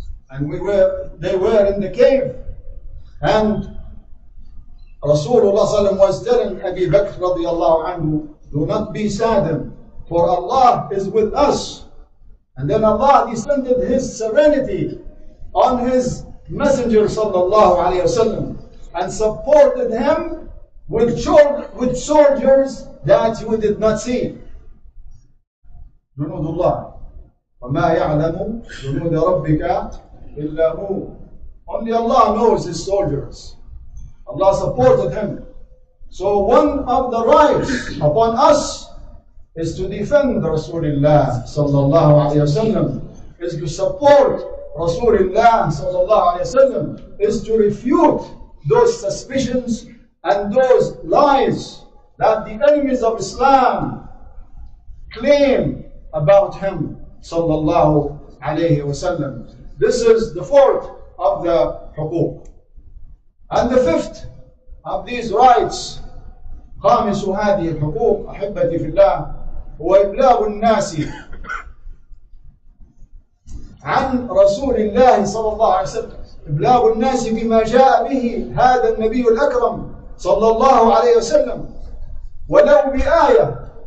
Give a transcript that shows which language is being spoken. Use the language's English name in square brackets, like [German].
[English] And they were in the cave. And Rasulullah sallam was telling Abi Bakr radiyallahu anhu, do not be saddened, for Allah is with us. And then Allah descended his serenity on his messenger sallallahu alayhi wa sallam and supported him with soldiers that you did not see. [Arabic] جنود الله وما يعلم جنود ربك إلا هو. [English] Only Allah knows his soldiers. Allah supported him. So one of the rights upon us is to defend Rasulullah sallallahu alayhi wa sallam, is to support Rasulullah sallallahu alayhi wa sallam, is to refute those suspicions and those lies that the enemies of Islam claim about him sallallahu alayhi wa sallam. This is the fourth of the حقوق. And the fifth of these rights, [Arabic] خامس هذه الحقوق أحبتي في الله هو إبلاغ الناس عن رسول الله صلى الله عليه وسلم. إبلاغ الناس بما جاء به هذا النبي الأكرم صلى الله عليه وسلم ولو بآية.